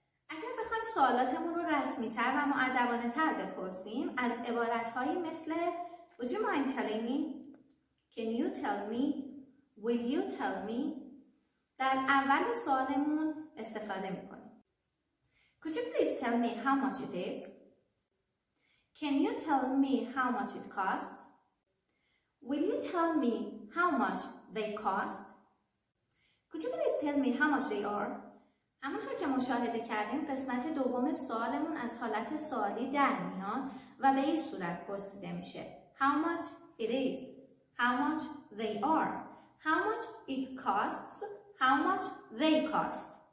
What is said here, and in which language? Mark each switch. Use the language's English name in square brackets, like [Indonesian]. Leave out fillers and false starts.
[Persian] اگر بخوایم سوالاتمون رو رسمی‌تر و مؤدبانه‌تر بپرسیم از عبارت‌هایی مثل [English] Would you mind telling me? Can you tell me? Will you tell me? [Persian] در اول سوالمون استفاده می‌کنیم. [English] Could you please tell me how much it is? Can you tell me how much it costs? Will you tell me how much they cost? Could you please tell me how much they are? [Persian] همونطور که مشاهده کردیم قسمت دوم سوالمون از حالت سوالی در میاد و به این صورت پرسیده میشه. [English] How much it is? How much they are? How much it costs? How much they cost?